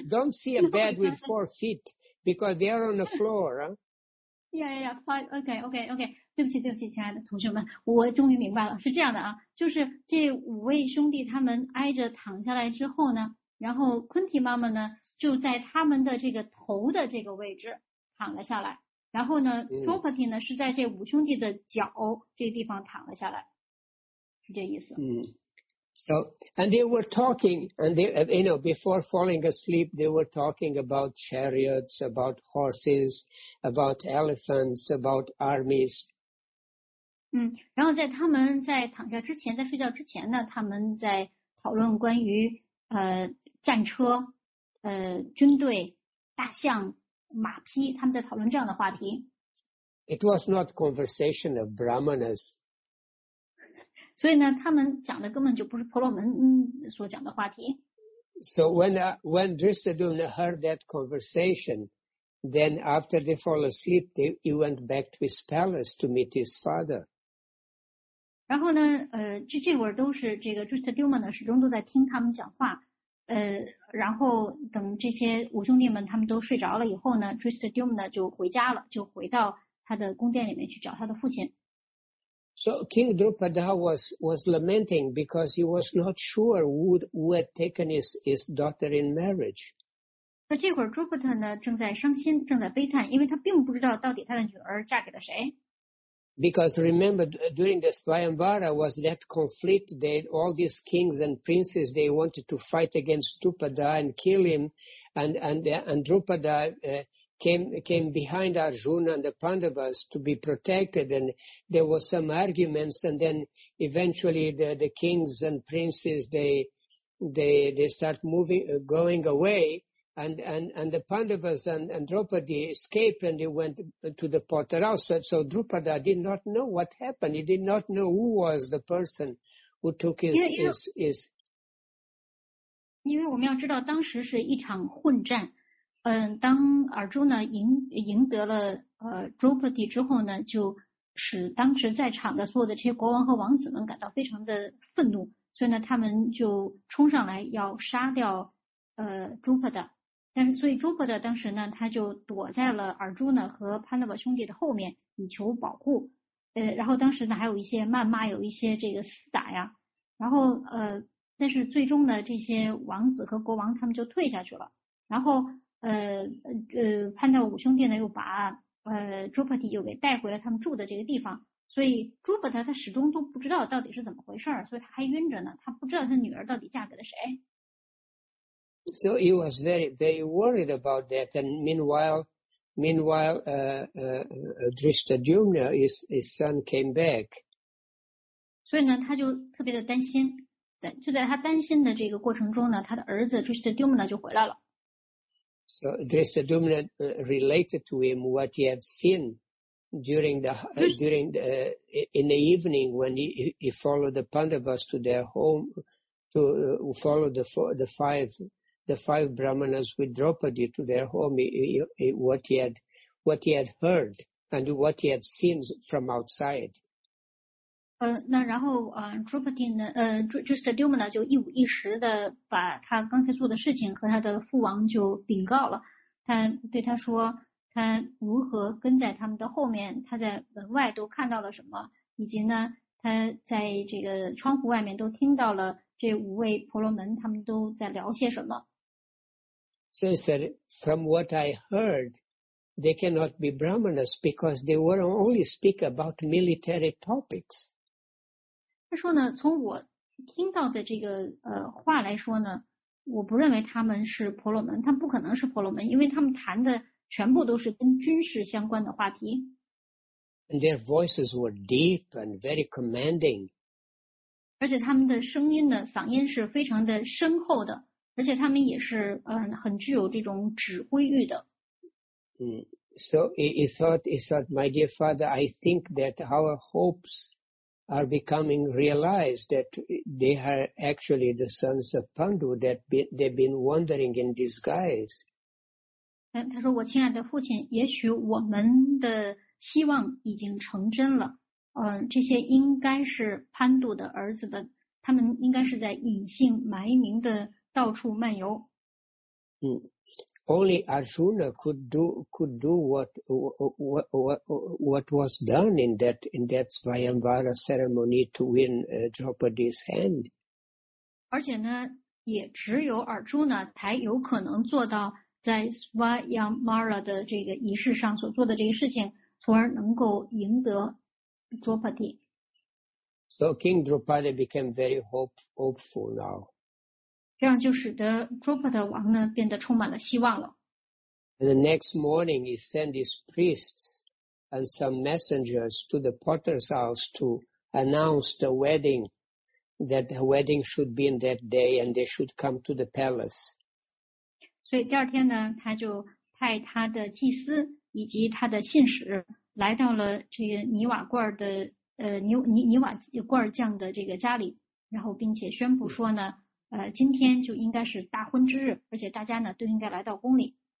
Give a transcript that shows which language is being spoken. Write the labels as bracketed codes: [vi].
[en] Don't see a bed with 4 feet because they are on the floor, huh? Okay. [zh] 对不起，亲爱的同学们，我终于明白了。是这样的啊，就是这五位兄弟他们挨着躺下来之后呢，然后昆提妈妈呢就在他们的这个头的这个位置躺了下来。然后呢 ，Draupadi 呢是在这五兄弟的脚这个地方躺了下来，是这意思。 [en] So and they were talking, and they, you know, before falling asleep, they were talking about chariots, about horses, about elephants, about armies. [zh] 然后在他们在躺下之前，在睡觉之前呢，他们在讨论关于战车、军队、大象。马匹，他们在讨论这样的话题。 [en] It was not conversation of Brahmanas. [zh] 所以呢，他们讲的根本就不是婆罗门所讲的话题。 [en] So when Drishtadyumna heard that conversation, then after they fall asleep, he went back to his palace to meet his father. [zh] 然后呢，这会儿都是这个 Drishtadyumna 呢，始终都在听他们讲话。然后等这些五兄弟们他们都睡着了以后呢 ，Drishtadyumna 就回家了，就回到他的宫殿里面去找他的父亲。 [en] So King Drupada was lamenting because he was not sure who had taken his daughter in marriage. [zh] 那这会儿 Drupada 呢正在伤心，正在悲叹，因为他并不知道到底他的女儿嫁给了谁。 [en] Because remember, during the Svayamvara was that conflict that all these kings and princes, they wanted to fight against Drupada and kill him. And Drupada came behind Arjuna and the Pandavas to be protected. And there were some arguments. And then eventually the kings and princes, they start moving, going away. And the Pandavas and Draupadi escaped and they went to the potter house. So Draupada did not know what happened. He did not know who was the person who took his. [zh] 因为我们要知道当时是一场混战。当尔朱呢赢得了Draupadi 之后呢，就使当时在场的所有的这些国王和王子们感到非常的愤怒，所以呢，他们就冲上来要杀掉Draupada。但是所以 Drupada 当时呢他就躲在了 Arjuna 和 Pandava 兄弟的后面以求保护。然后当时呢还有一些谩骂，有一些这个厮打呀。然后但是最终呢这些王子和国王他们就退下去了。然后Pandava 五兄弟呢又把Drupadi 又给带回了他们住的这个地方。所以 Drupada 他始终都不知道到底是怎么回事，所以他还晕着呢，他不知道他女儿到底嫁给了谁。 [en] So he was very, very worried about that. And meanwhile, Drishtadyumna, his son, came back. [zh] 所以呢，他就特别的担心。就在他担心的这个过程中呢，他的儿子 Drishtadyumna 就回来了。 [en] So Drishtadyumna related to him what he had seen in the evening when he followed the Pandavas to their home to follow the five Brahmanas with Draupadi to their home, what he had heard and what he had seen from outside. [zh] 那然后Draupadi 呢Drishtadyumna 就一五一十的把他刚才做的事情和他的父王就禀告了，他对他说他如何跟在他们的后面，他在门外都看到了什么，以及呢他在这个窗户外面都听到了这五位婆罗门他们都在聊些什么。 [en] So he said, from what I heard, they cannot be Brahmanas because they were only speak about military topics. [zh] 他说呢，从我听到的这个话来说呢，我不认为他们是婆罗门，他们不可能是婆罗门，因为他们谈的全部都是跟军事相关的话题。 [en] And their voices were deep and very commanding. [zh] 而且他们的声音呢，嗓音是非常的深厚的。而且他们也是很具有这种指挥欲的。 [en] So he thought, my dear father, I think that our hopes are becoming realized that they are actually the sons of Pandu that they've been wandering in disguise. [zh] 他说我亲爱的父亲，也许我们的希望已经成真了。这些应该是潘度的儿子们，他们应该是在隐姓埋名的到处漫游。 [en] Only Arjuna could do what was done in that Svayamvara ceremony to win Draupadi's hand. [zh] 而且呢，也只有 Arjuna 才有可能做到在 Svayamvara 的这个仪式上所做的这个事情，从而能够赢得 Draupadi。 [en] So King Draupadi became very hopeful now. [zh] 这样就使得 Draupada 王呢变得充满了希望了。 [en] The next morning, he sent his priests and some messengers to the potter's house to announce the wedding, that the wedding should be in that day and they should come to the palace. [zh] 所以第二天呢，他就派他的祭司以及他的信使来到了这个尼瓦罐的尼瓦罐将的这个家里，然后并且宣布说呢。今天就应该是大婚之日，而且大家呢都应该来到宫里。